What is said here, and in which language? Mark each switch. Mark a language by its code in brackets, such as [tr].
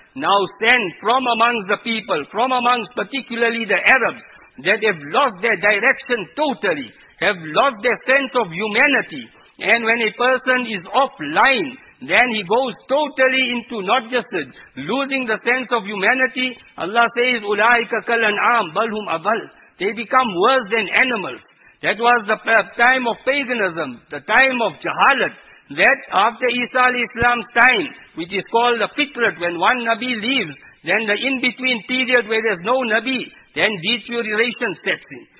[en] Now send from amongst the people, from amongst particularly the Arabs, that have lost their direction totally, have lost their sense of humanity. And when a person is offline, then he goes totally into not just losing the sense of humanity. Allah says, [ar] أُولَٰئِكَ كَالْأَنْعَامِ بَلْ هُمْ أَضَلُّ. [en] They become worse than animals. That was the time of paganism, the time of jahalat. That after Isa al-Islam's time, which is called the fitrat, when one Nabi leaves, then the in-between period where there's no Nabi, then deterioration sets in.